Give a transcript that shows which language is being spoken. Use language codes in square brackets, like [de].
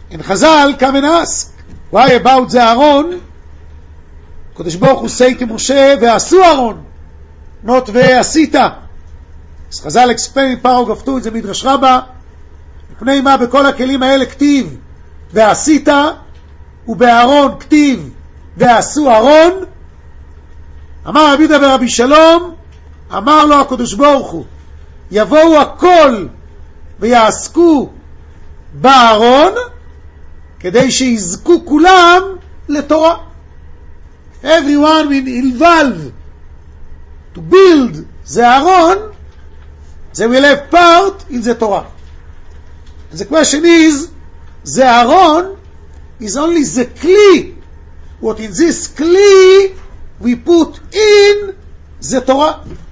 [en] And Chazal come and ask, why about the Aaron? Kodesh Baruch Hu say to Moshe, [he] Ve'asu Aaron, [en] not Ve'asita. As Chazal explained in paragraph 2 in the Midrash Rabbah, [he] לפני מה בכל הכלים האלה כתיב Ve'asita, ובאהרון כתיב Ve'asu Aaron. אמר רבי דוד ורבי שלום, אמר לו הקדוש ברוך הוא, יבואו הכל ויעסקו בארון, כדי שיזכו כולם לתורה. [en] Everyone will be involved to build the Aaron, they will have part in the Torah. And the question is, the Aaron is only the kli. What in this kli we put in the Torah.